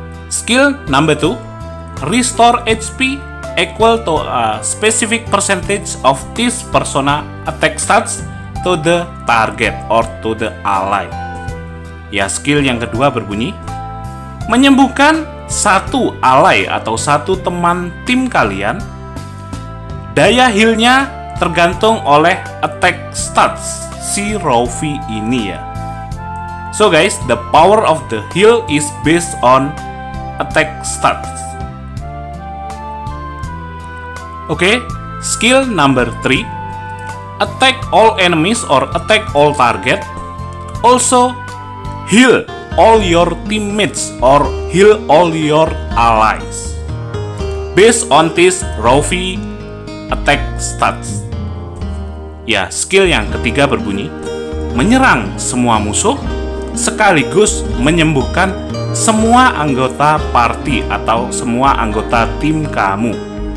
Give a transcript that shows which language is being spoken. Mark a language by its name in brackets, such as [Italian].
[English] Skill number 2, restore HP equal to a specific percentage of this persona attack stats to the target or to the ally. [Indonesian] Ya, skill yang kedua berbunyi menyembuhkan satu ally atau satu teman tim kalian, daya healnya tergantung oleh attack stats si Rovi ini ya. [English] So guys, the power of the heal is based on attack stats. Okay, skill number 3, attack all enemies or attack all target, also heal all your teammates or heal all your allies based on this Rovi attack stats. [Indonesian] Ya, skill yang ketiga berbunyi menyerang semua musuh sekaligus menyembuhkan semua anggota party atau semua anggota tim kamu.